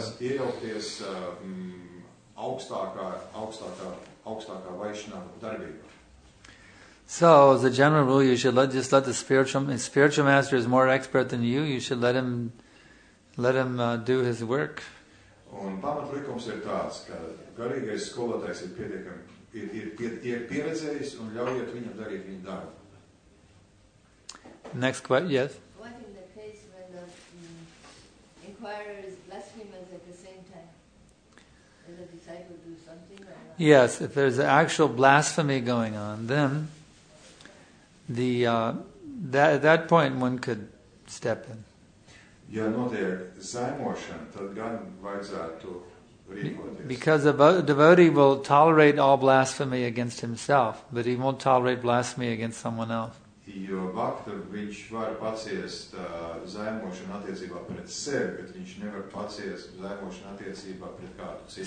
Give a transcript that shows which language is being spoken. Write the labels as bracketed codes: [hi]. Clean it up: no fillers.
[lv] Iejaukties augstākā Vaishnava darbība. [en] So as a general rule, you should just let the spiritual master is more expert than you. You should let him do his work. [lv] Un pamatlikums ir tāds, ka garīgais skolotājs ir pietiekami ir pieredzējis un ļaujiet viņam darīt viņa darbu. [en] Next question, yes. What in the case when the inquirer is blasphemous at the same time? Does the disciple do something or not? Yes, if there's an actual blasphemy going on, then at that point one could step in. [lv] Ja notiek zaimošana, tad gan vajadzētu rīkoties. [en] Because a devotee will tolerate all blasphemy against himself, but he won't tolerate blasphemy against someone else. [lv] jo bhakta, viņš var paciest zaimošanu attiecībā pret sevi, bet viņš nevar paciest zaimošanu attiecībā pret kādu citu.